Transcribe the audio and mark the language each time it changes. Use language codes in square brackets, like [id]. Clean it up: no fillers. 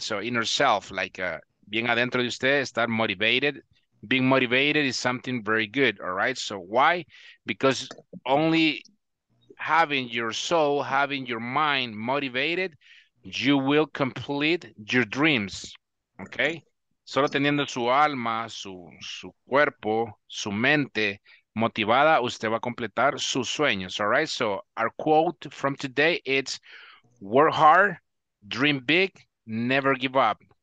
[en] So, inner self, [es] like bien adentro de usted, estar [en] motivated. Being motivated is something very good, all right? So why? Because only having your soul, having your mind motivated, you will complete your dreams, okay? [es] Solo teniendo su alma, su cuerpo, su mente motivada, usted va a completar sus sueños, [en] all right? So our quote from today, it's work hard, dream big, never give up.